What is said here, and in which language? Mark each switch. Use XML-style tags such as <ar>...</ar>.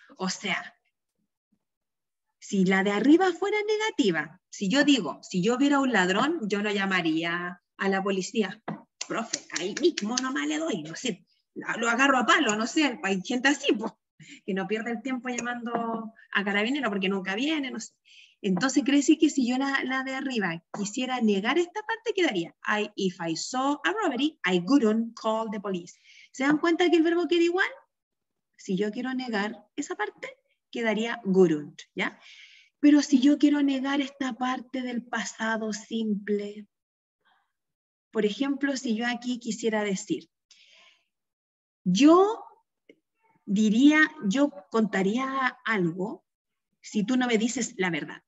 <es>O sea, si la de arriba fuera negativa, si yo digo, si yo viera un ladrón, yo no llamaría a la policía. profe, ahí mismo nomás le doy, no sé, lo agarro a palo, no sé, hay gente así, pues, que no pierde el tiempo llamando a carabinero porque nunca viene, no sé. Entonces, ¿quiere decir que si yo la de arriba quisiera negar esta parte, quedaría?</es> <en>If I saw a robbery, I couldn't call the police.</en> <es>¿Se dan cuenta que el verbo queda igual? Si yo quiero negar esa parte, quedaría couldn't, ¿ya? Pero si yo quiero negar esta parte del pasado simple, por ejemplo, si yo aquí quisiera decir, yo diría, yo contaría algo si tú no me dices la verdad.</es>